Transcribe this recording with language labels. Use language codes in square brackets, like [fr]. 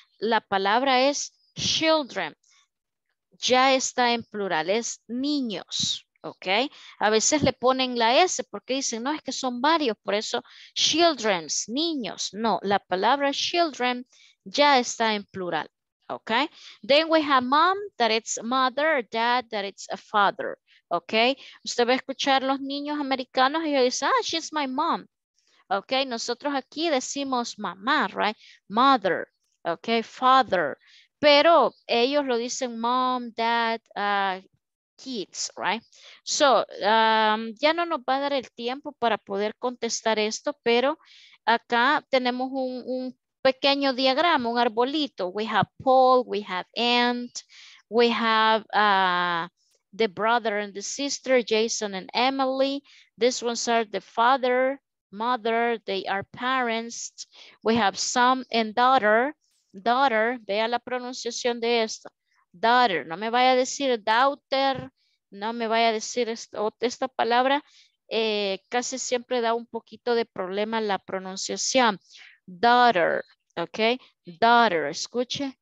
[es] La palabra es children, ya está en plural, es niños. ¿Ok? A veces le ponen la S porque dicen, no, es que son varios, por eso children's, niños. No, la palabra children ya está en plural. ¿Ok? [en] Then we have mom, that it's mother, dad, that it's a father. ¿Ok? [es] Usted va a escuchar los niños americanos y dice, ah, [en] she's my mom. [es] ¿Ok? Nosotros aquí decimos mamá, right? Mother. ¿Ok? Father. pero ellos lo dicen mom, dad, kids, right? So, ya no nos va a dar el tiempo para poder contestar esto, pero acá tenemos un pequeño diagrama, un arbolito. [en] We have Paul, we have Ant, we have the brother and the sister, Jason and Emily. These ones are the father, mother, they are parents. We have son and daughter. Daughter, [es] vea la pronunciación de esto. Daughter, no me vaya a decir daughter, no me vaya a decir esta palabra. Casi siempre da un poquito de problema la pronunciación. [en] Daughter, ok. Daughter, escuche.